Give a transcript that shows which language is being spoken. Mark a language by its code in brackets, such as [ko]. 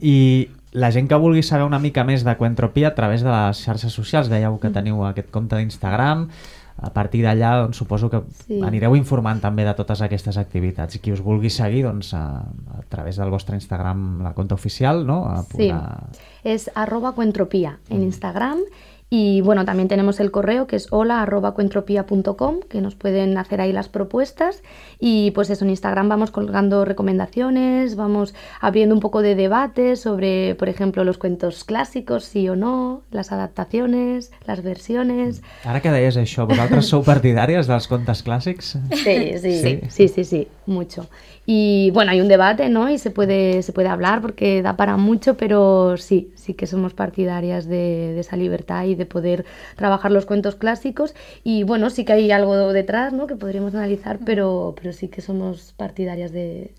[ca] I la gent que vulgui saber una mica més de Coentropia a través de les xarxes socials, dèieu que teniu aquest compte d'Instagram, a partir d'allà doncs, suposo que anireu informant també de totes aquestes activitats. I qui us vulgui seguir, doncs a través del vostre Instagram, la compte oficial, no? [es] És @coentropia en Instagram. Y bueno, también tenemos el correo que es hola@coentropia.com, que nos pueden hacer ahí las propuestas. Y pues eso, en Instagram vamos colgando recomendaciones, vamos abriendo un poco de debate sobre, por ejemplo, los cuentos clásicos, sí o no, las adaptaciones, las versiones. Ahora [ca] que deies això, ¿vosaltres sou partidàries dels contes clàssics? [es] Sí, mucho. Y bueno, hay un debate, ¿no? Y se puede hablar porque da para mucho, pero sí que somos partidarias de esa libertad y de poder trabajar los cuentos clásicos. Y bueno, sí que hay algo detrás, ¿no? Que podríamos analizar, pero sí que somos partidarias de...